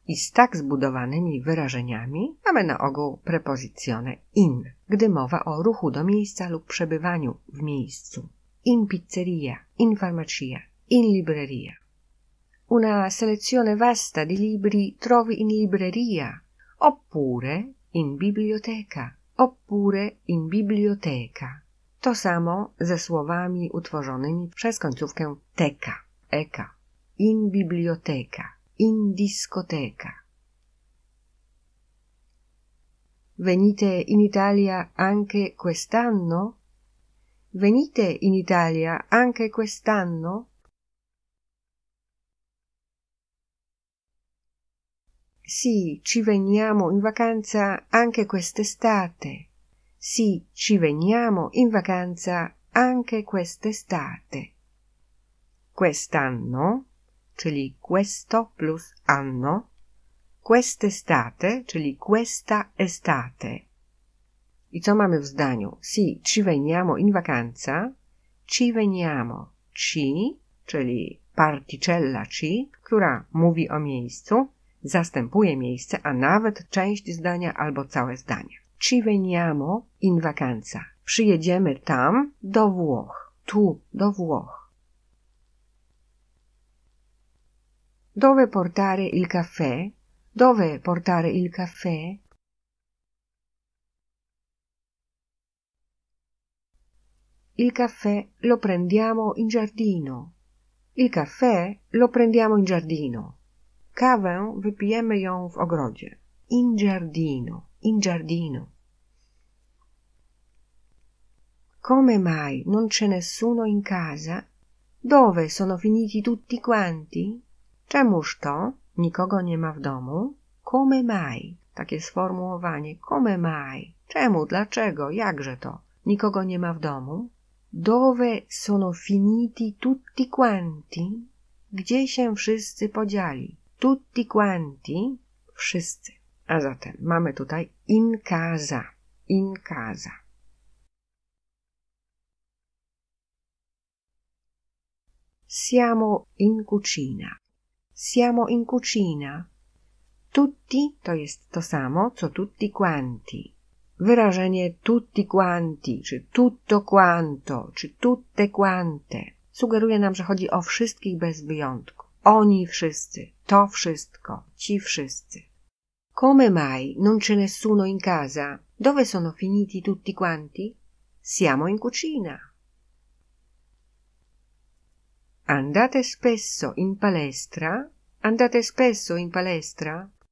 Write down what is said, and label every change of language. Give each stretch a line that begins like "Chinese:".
Polish: I z tak zbudowanymi wyrażeniami mamy na ogół prepozycję in, gdy mowa o ruchu do miejsca lub przebywaniu w miejscu.
Italian: In pizzeria, in farmacia, in libreria. Una selezione vasta di libri trovi in libreria, oppure in biblioteca, oppure in biblioteca.
Polish: To samo ze słowami utworzonymi przez końcówkę teka, eka.
Italian: In biblioteca, in discoteca. Venite in Italia anche quest'anno? Venite in Italia anche quest'anno? Sì, ci veniamo in vacanza anche quest'estate. Sì, ci veniamo in vacanza anche quest'estate. Quest'anno, czyli questo plus anno, quest'estate, czyli questa estate.
Polish: I co mamy w zdaniu?
Italian: Sì, ci veniamo in vacanza. Ci veniamo.
Polish: Ci, czyli particella ci, która mówi o miejscu. zastępuje miejsce, a nawet część zdania albo całe zdanie.
Italian: Ci veniamo in vacanza.
Polish: Przyjedziemy tam do Włoch. Tu do Włoch.
Italian: Dove portare il caffè? Dove portare il caffè? Il caffè lo prendiamo in giardino. Il caffè lo prendiamo in giardino.
Polish: Kawę wypijemy ją w ogrodzie.
Italian: In giardino, in giardino. Come mai non c'è nessuno in casa? Dove sono finiti tutti quanti?
Polish: Czemuż to? Nikogo nie ma w domu?
Italian: Come mai?
Polish: Takie sformułowanie.
Italian: Come mai?
Polish: Czemu? Dlaczego? Jakże to? Nikogo nie ma w domu?
Italian: Dove sono finiti tutti quanti?
Polish: Gdzie się wszyscy podzieli?
Italian: Tutti quanti?
Polish: Wszyscy. A zatem mamy tutaj
Italian: in casa. In casa. Siamo in cucina. Siamo in cucina.
Polish: Tutti to jest to samo, co tutti quanti. Wyrażenie tutti quanti, czy tutto quanto, czy tutte quante sugeruje nam, że chodzi o wszystkich bez wyjątku. Oni wszyscy, to wszystko, ci wszyscy.
Italian: Come mai non c'è nessuno in casa? Dove sono finiti tutti quanti? Siamo in cucina. Andate spesso in palestra? Andate spesso in palestra?